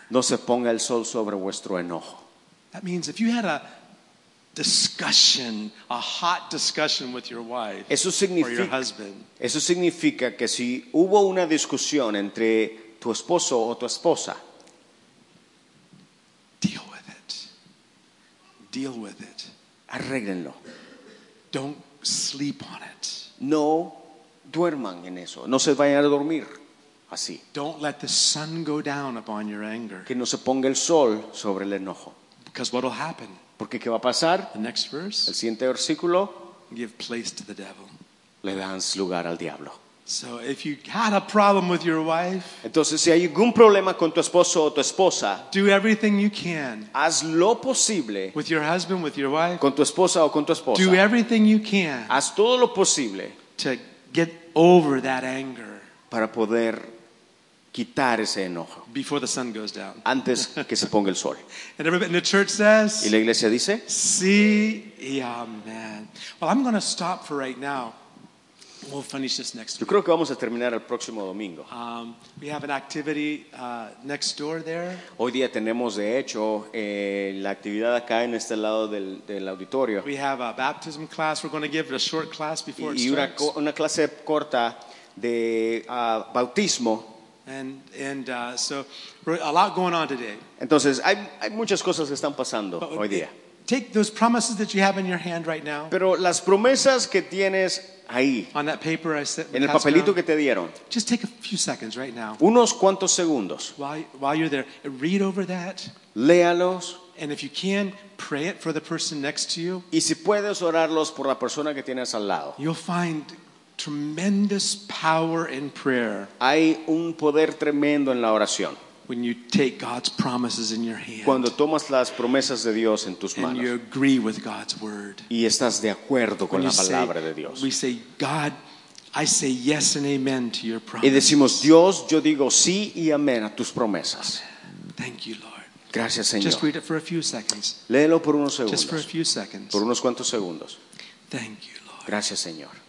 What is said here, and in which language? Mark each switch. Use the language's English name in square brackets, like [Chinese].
[Spanish] No se ponga el sol sobre vuestro enojo. [English] That means if you had a discussion, a hot discussion with your wife or your husband. [Spanish] Eso significa que si hubo una discusión entre tu esposo o tu esposa. [English] Deal with it. Deal with it. [Spanish] Arréglenlo. [English] Don't sleep on it. [Spanish] No duerman en eso. No se vayan a dormir así. [English] Don't let the sun go down upon your anger. [Spanish] Que no se ponga el sol sobre el enojo. [English] Because what will happen? [Spanish] Porque qué va a pasar? [English] The next verse. [Spanish] El siguiente versículo. [English] Give place to the devil. [Spanish] Le dan lugar al diablo. [English] So if you had a problem with your wife. [Spanish] Entonces si hay algún problema con tu esposo o tu esposa. [English] Do everything you can. [Spanish] Haz lo posible. [English] With your husband, with your wife. [Spanish] Con tu esposa o con tu esposa. [English] Do everything you can. [Spanish] Haz todo lo posible. [English] To get over that anger. [Spanish] Para poder quitar ese enojo. [English] Before the sun goes down. [Spanish] Antes que se ponga el sol. [English] And everybody in the church says. [Spanish] Y la iglesia dice. Sí y amén. [English] Well, I'm going to stop for right now. We'll finish this next week. [Spanish] Yo creo que vamos a terminar el próximo domingo. [English] We have an activity next door there. [Spanish] Hoy día tenemos de hecho la actividad acá en este lado del auditorio. [English] We have a baptism class. We're going to give it a short class before [Spanish] y [English] it starts. [Spanish] Y una clase corta de bautismo. [English] And so a lot going on today. [Spanish] Entonces, hay muchas cosas que están pasando hoy día. [English] Take those promises that you have in your hand right now. [Spanish] Pero las promesas que tienes ahí, [English] on that paper I sent, [Spanish] en el papelito que te dieron, [English] just take a few seconds right now. [Spanish] Unos cuantos segundos. [English] While you're there, read over that. [Spanish] Léalos. [English] And if you can, pray it for the person next to you. [Spanish] Y si puedes orarlos por la persona que tienes al lado. [English] You'll find tremendous power in prayer. [Spanish] Hay un poder tremendo en la oración. [English] When you take God's promises in your hand. [Spanish] Cuando tomas las promesas de Dios en tus manos. [English] And you agree with God's word. [Spanish] Y estás de acuerdo con la palabra de Dios. [English] We say, God, I say yes and amen to your promises. [Spanish] Y decimos, Dios, yo digo sí y amén a tus promesas. [English] Thank you, Lord. [Spanish] Gracias, Señor. [English] Just read it for a few seconds. [Spanish] Léelo por unos segundos. [English] Just for a few seconds. [Spanish] Por unos cuantos segundos. [English] Thank you, Lord. [Spanish] Gracias, Señor.